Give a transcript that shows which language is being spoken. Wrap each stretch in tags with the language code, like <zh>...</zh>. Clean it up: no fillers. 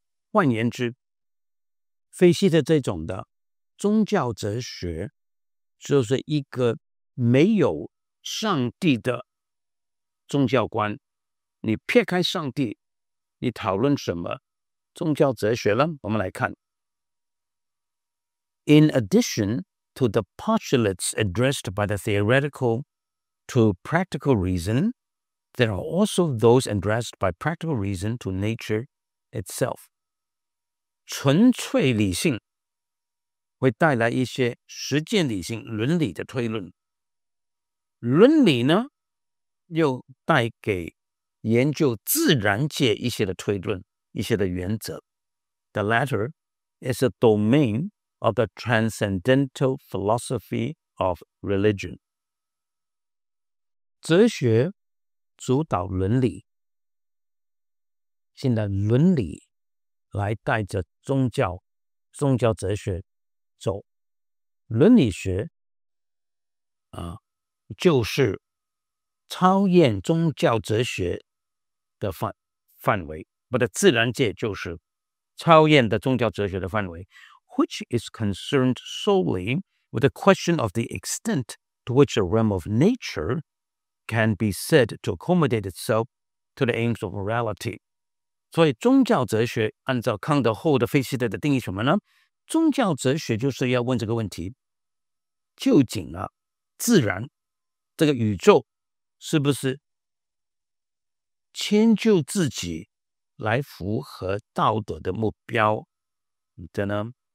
<zh>换言之，菲希特这种的宗教哲学就是一个没有上帝的宗教观。你撇开上帝，你讨论什么宗教哲学呢？我们来看。</zh> <en>In addition to the postulates addressed by the theoretical to practical reason, there are also those addressed by practical reason to nature itself.</en> <zh>纯粹理性会带来一些实践理性伦理的推论，伦理呢又带给研究自然界一些的推论，一些的原则。</zh> <en>The latter is a domain of the transcendental philosophy of religion.</en> <zh>哲学主导伦理，现在伦理来带着宗教哲学走。伦理学就是超越宗教哲学的范围，或者自然界就是超越的宗教哲学的范围。</zh> <en>Which is concerned solely with the question of the extent to which a realm of nature can be said to accommodate itself to the aims of morality.</en> <zh>所以宗教哲学按照康德后的菲希特的定义什么呢？宗教哲学就是要问这个问题，究竟啊，自然这个宇宙是不是迁就自己来符合道德的目标的呢？</zh>